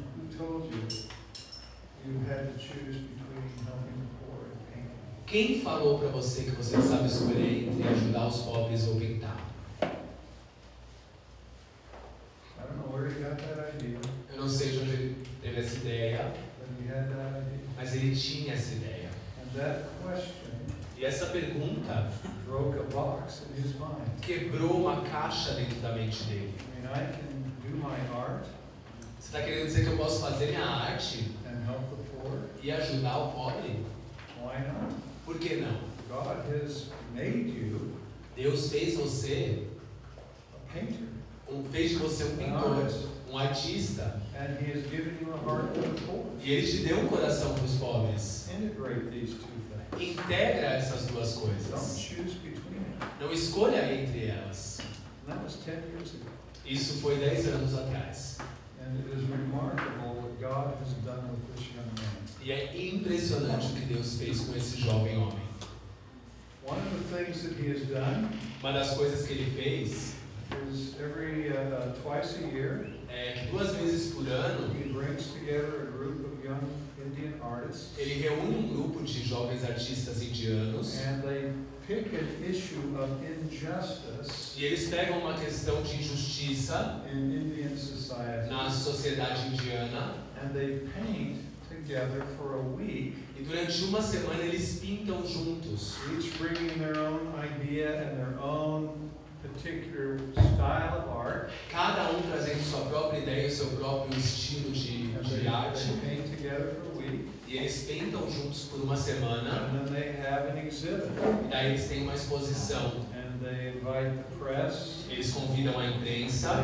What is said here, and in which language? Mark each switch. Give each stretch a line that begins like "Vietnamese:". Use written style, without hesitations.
English: who told you you had to choose between helping the poor and painting?
Portuguese: Quem falou para você que você sabe escolher entre ajudar os pobres ou pintar?
English: I don't know where he got that idea.
Portuguese: Eu não sei de onde ele teve essa ideia,
English: but he had that idea.
Portuguese: Mas ele tinha essa ideia.
English: And that question,
Portuguese: e essa pergunta
English: broke a box in his mind.
Portuguese: Quebrou uma caixa dentro da mente dele.
English: I mean, I can do my art.
Portuguese: Você está querendo dizer que eu posso fazer minha arte
English: and help the poor?
Portuguese: E ajudar o pobre?
English: Why not?
Portuguese: Por que não?
English: God has made you.
Portuguese: Deus fez você
English: a painter.
Portuguese: Fez de você um pintor, um artista.
English: And he has given you a heart for the poor.
Portuguese: E ele te deu um coração para os pobres.
English: Integrate these two.
Portuguese: Integra essas duas coisas.
English: Don't choose between them.
Portuguese: Não escolha entre elas.
English: That was 10 years ago.
Portuguese: Isso foi 10 anos atrás.
English: And it is remarkable what God has done with this young man.
Portuguese: E é impressionante o que Deus fez com esse jovem homem.
English: One of the things that he has done,
Portuguese: uma das coisas que ele fez
English: is every, twice a year,
Portuguese: é que duas vezes por ano ele traz
English: together a group of young Indian artists.
Portuguese: Ele reúne um grupo de jovens artistas indianos.
English: And they pick an issue of injustice.
Portuguese: E eles pegam uma questão de injustiça
English: in Indian society.
Portuguese: Na sociedade indiana.
English: And they paint together for a week.
Portuguese: E durante uma semana eles pintam juntos.
English: Each bringing their own idea and their own particular style of art.
Portuguese: Cada trazendo sua própria ideia, seu próprio estilo de arte.
English: Paint together for a week.
Portuguese: E eles pintam juntos por uma semana.
English: And then they have an exhibit.
Portuguese: E daí eles têm uma exposição.
English: And they invite the press.
Portuguese: Eles convidam a imprensa.